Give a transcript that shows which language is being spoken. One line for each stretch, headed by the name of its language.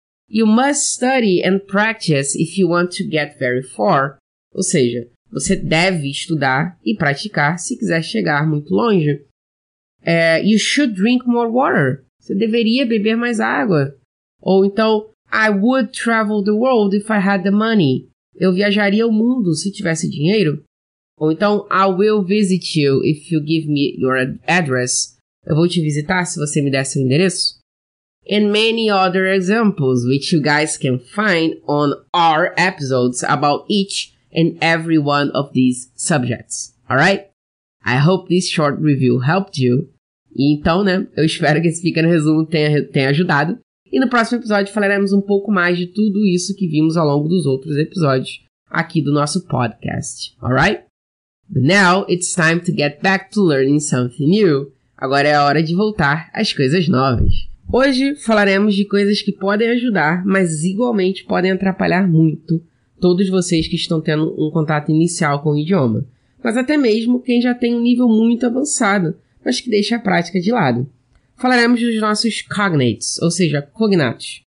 English: You must study and practice if you want to get very far.
Portuguese: Ou seja, você deve estudar e praticar se quiser chegar muito longe.
English: You should drink more water.
Portuguese: Você deveria beber mais água. Ou então,
English: I would travel the world if I had the money.
Portuguese: Eu viajaria o mundo se tivesse dinheiro. Ou então,
English: I will visit you if you give me your address.
Portuguese: Eu vou te visitar se você me der seu endereço.
English: And many other examples, which you guys can find on our episodes about each and every one of these subjects. Alright? I hope this short review helped you.
Portuguese: E então, né, eu espero que esse pequeno resumo tenha ajudado. E no próximo episódio falaremos um pouco mais de tudo isso que vimos ao longo dos outros episódios aqui do nosso podcast.
English: Alright? But now, it's time to get back to learning something new.
Portuguese: Agora é a hora de voltar às coisas novas. Hoje falaremos de coisas que podem ajudar, mas igualmente podem atrapalhar muito todos vocês que estão tendo um contato inicial com o idioma, mas até mesmo quem já tem um nível muito avançado, mas que deixa a prática de lado. Falaremos dos nossos cognates, ou seja, cognatos,